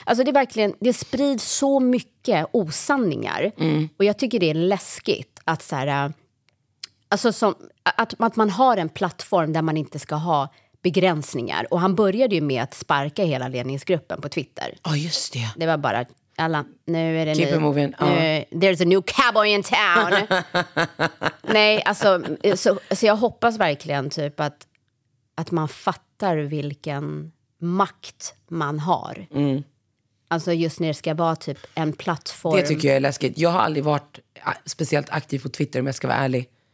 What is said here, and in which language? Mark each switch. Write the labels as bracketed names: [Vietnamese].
[Swedish] Alltså det är verkligen, det sprids så mycket osanningar. Mm. Och jag tycker det är läskigt att, så här, alltså som, att man har en plattform där man inte ska ha begränsningar. Och han började ju med att sparka hela ledningsgruppen på Twitter. Ja, oh, just det. Det var bara... Alla, nu är det [English] keep [Swedish] nu. [English] Moving. There's a new cowboy in town. [Swedish] Nej, alltså, så jag hoppas verkligen typ att man fattar vilken makt man har. Mm. Alltså just när det ska vara typ en plattform. Det tycker jag är läskigt. Jag har aldrig varit speciellt aktiv på Twitter, om jag ska vara ärlig.